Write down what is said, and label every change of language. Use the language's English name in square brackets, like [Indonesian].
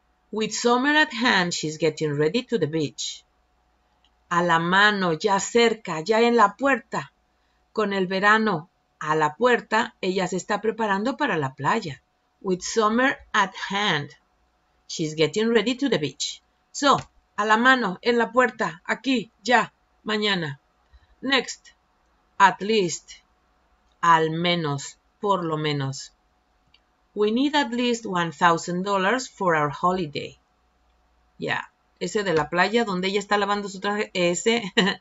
[English] With summer at hand, she's getting ready to the beach. [Spanish] A la mano, ya cerca, ya en la puerta. Con el verano a la puerta, ella se está preparando para la playa. [English] With summer at hand, she's getting ready to the beach. [Spanish] So, a la mano, en la puerta, aquí, ya, mañana. [English] Next, at least, [Spanish] al menos, por lo menos. [English] We need at least $1,000 for our holiday. [Spanish] Yeah, ese de la playa donde ella está lavando su traje, ese...